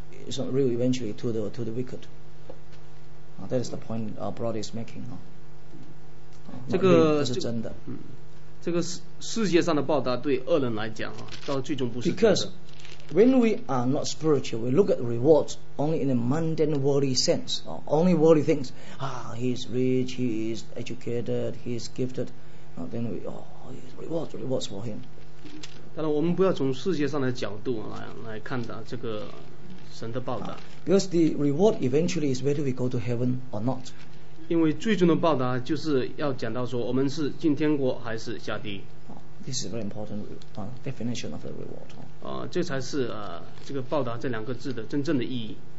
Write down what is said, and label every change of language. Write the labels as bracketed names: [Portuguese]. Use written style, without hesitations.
[English] It's not real eventually to the wicked. That is the point our brother is making. [Chinese] 这个是真的。这个世界上的报答对恶人来讲啊，到最终不是。 [English] Because when we are not spiritual, we look at rewards only in a mundane worldly sense, only worldly things. Ah, he's rich, he's educated, he's gifted. Then we, rewards for him. [Chinese] 当然，我们不要从世界上的角度来看到这个神的报答。 [English] Because the reward eventually is whether we go to heaven or not. [Chinese] 因为最终的报答就是要讲到说我们是进天国还是下地。 [English] This is very important definition of the reward. [Chinese] 这才是这个报答这两个字的真正的意义。